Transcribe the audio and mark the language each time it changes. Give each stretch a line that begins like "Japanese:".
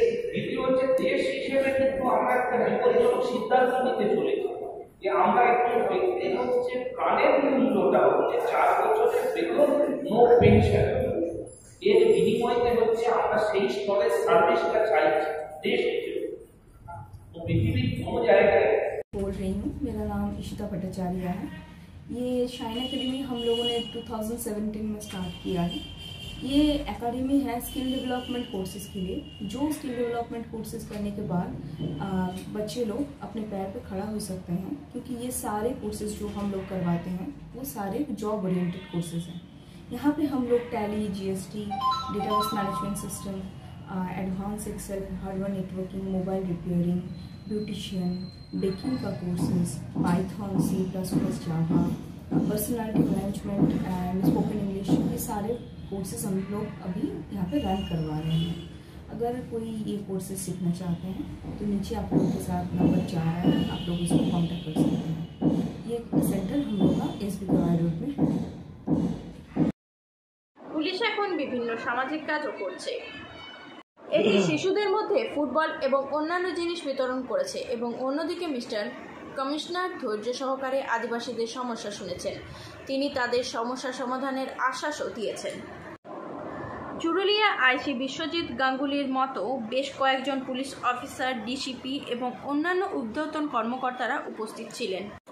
Bangla: দ্বিতীয় হচ্ছে দেশ হিসেবে কিন্তু আমরা একটা বিপজ্জনক সিদ্ধান্ত নিতে চলেছি যে আমরা একজন ব্যক্তি হচ্ছে প্রাণের মূল্যটা হচ্ছে 4 বছরের বেতন নো পেনশন, এর বিনিময়ে হচ্ছে আমরা সেই স্তরের সার্ভিসটা চাইছি দেশ হিসেবে পৃথিবীর কোনো জায়গায়।
Hindi: मेरा नाम इशिता भट्टाचार्य है। ये शाइन एकेडमी हम लोगों ने 2017 में स्टार्ट किया है। ये एकेडमी है स्किल डेवलपमेंट कोर्सेज के लिए, जो स्किल डेवलपमेंट कोर्सेज करने के बाद बच्चे लोग अपने पैर पे खड़ा हो सकते हैं, क्योंकि ये सारे कोर्सेज जो हम लोग करवाते हैं वो सारे जॉब ओरिएंटेड कोर्सेज हैं। यहाँ पे हम लोग tally, GST, database management system, advance Excel, hardware networking, mobile repairing, beautician, baking का courses, Python, C++, Java, personality management and spoken English, ये सारे कोर्सेज हम लोग अभी यहाँ पे रन करवा रहे हैं। अगर कोई ये कोर्सेज सीखना चाहते हैं तो नीचे आप लोगों के साथ नंबर चार है, आप लोग उसको कॉन्टेक्ट कर सकते हैं। ये सेंटर हम लोग का SBK रोड में।
Bangla: पुलिस এখন বিভিন্ন সামাজিক কাজও করছে। এটি শিশুদের মধ্যে ফুটবল এবং অন্যান্য জিনিস বিতরণ করেছে এবং অন্যদিকে মিস্টার কমিশনার ধৈর্য সহকারে আদিবাসীদের সমস্যা শুনেছেন। তিনি তাদের সমস্যা সমাধানের আশ্বাসও দিয়েছেন। চুরুলিয়া আইসি বিশ্বজিৎ গাঙ্গুলির মতো বেশ কয়েকজন পুলিশ অফিসার, DCP এবং অন্যান্য ঊর্ধ্বতন কর্মকর্তারা উপস্থিত ছিলেন।